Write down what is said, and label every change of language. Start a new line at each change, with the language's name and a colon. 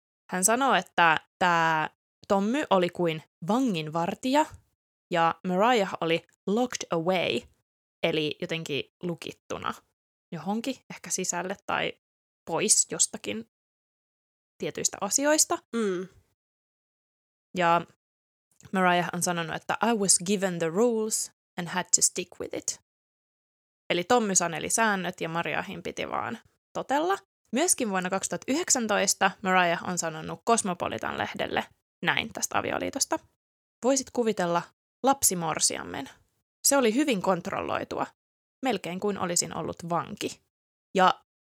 Finnish: Hän sanoo, että tämä Tommy oli kuin vanginvartija ja Mariah oli
English: locked away,
Finnish: eli jotenkin lukittuna johonkin, ehkä sisälle tai pois jostakin tietyistä asioista. Mm. Ja Mariah on sanonut, että
English: I was given the rules and had to stick with it.
Finnish: Eli Tommy saneli säännöt ja Mariahin piti vaan totella. Myöskin vuonna 2019 Mariah on sanonut Cosmopolitan-lehdelle näin tästä avioliitosta. Voisit kuvitella lapsimorsiammen. Se oli hyvin kontrolloitua, melkein kuin olisin ollut vanki. Ja